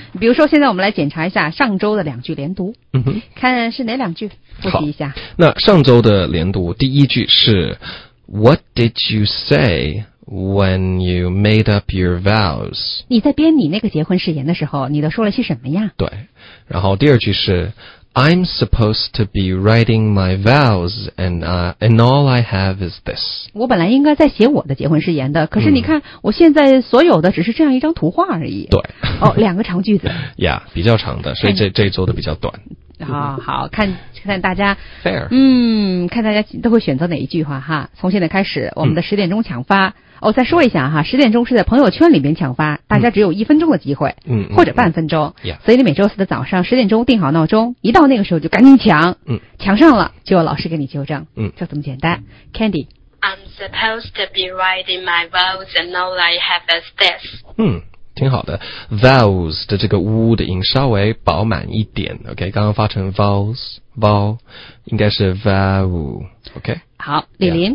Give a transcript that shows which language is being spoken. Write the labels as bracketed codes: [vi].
[zh] 比如说现在我们来检查一下上周的两句连读，嗯哼，看是哪两句，复习一下。那上周的连读第一句是 [en] What did you say when you made up your vows? [zh] 你在编你那个结婚誓言的时候，你都说了些什么呀？对，然后第二句是 [en] I'm supposed to be writing my vows, and all I have is this. [zh] 我本来应该在写我的结婚誓言的，可是你看、嗯、我现在所有的只是这样一张图画而已。对。哦，两个长句子。 Yeah, 比较长的，所以这一周的比较短。好、哦、好，看大家。 [en] Fair. [zh] 嗯，看大家都会选择哪一句话哈。从现在开始，我们的十点钟抢发。嗯哦，再说一下哈，十点钟是在朋友圈里面抢发，大家只有一分钟的机会，嗯，或者半分钟，嗯嗯嗯、所以你每周四的早上十点钟定好闹钟，一到那个时候就赶紧抢，嗯，抢上了就有老师给你纠正，嗯，就这么简单。Candy, [en] I'm supposed to be writing my vows and all I have is this。 [zh] 嗯，挺好的 ，vows 的这个呜的音稍微饱满一点 ，OK， 刚刚发成 vows， 应该是 vow，OK、okay?。好，李林、